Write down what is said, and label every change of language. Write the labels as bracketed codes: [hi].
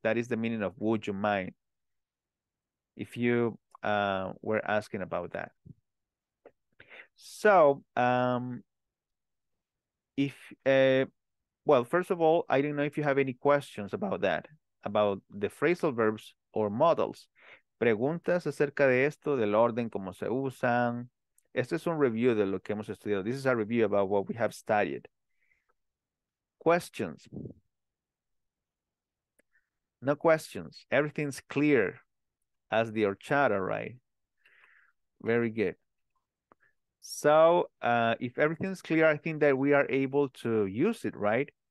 [en] That is the meaning of would you mind. If you were asking about that. So, first of all, I don't know if you have any questions about that, about the phrasal verbs or models. [es] Preguntas acerca de esto, del orden, cómo se usan. Este es un review de lo que hemos estudiado. [en] This is a review about what we have studied. Questions. No questions. Everything's clear as the horchata, right? Very good. So, if everything's clear, I think that we are able to use it, right?